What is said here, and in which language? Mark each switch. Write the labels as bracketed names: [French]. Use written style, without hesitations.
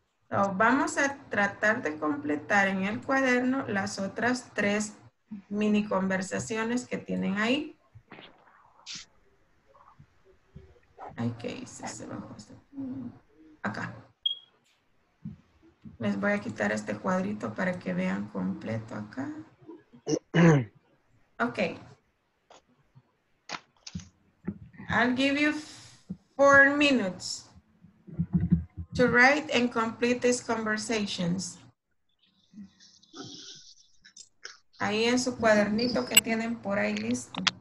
[English] So, [Spanish] vamos a tratar de completar en el cuaderno las otras tres mini conversaciones que tienen ahí. Ay, ¿qué hice? Se bajó. Acá. Les voy a quitar este cuadrito para que vean completo acá. [English] Okay. I'll give you 4 minutes to write and complete these conversations. [Spanish] Ahí en su cuadernito que tienen por ahí listo.